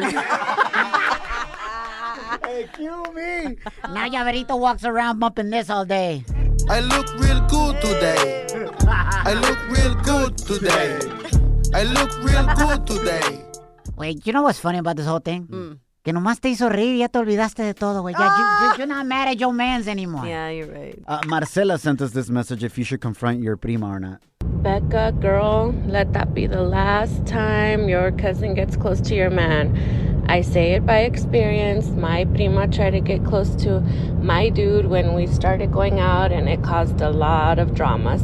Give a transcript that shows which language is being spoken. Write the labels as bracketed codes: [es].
[en] Hey, cue me. Now Yaverito walks around bumping this all day. I look real good today. I look real good today. I look real good today. Wait, you know what's funny about this whole thing? [es] Que nomás te hizo reír y ya te olvidaste de todo, güey. [en] Yeah, you're not mad at your mans anymore. Yeah, you're right. Marcela sent us this message if you should confront your prima or not. Becca, girl, let that be the last time your cousin gets close to your man. I say it by experience. My prima tried to get close to my dude when we started going out, and it caused a lot of drama.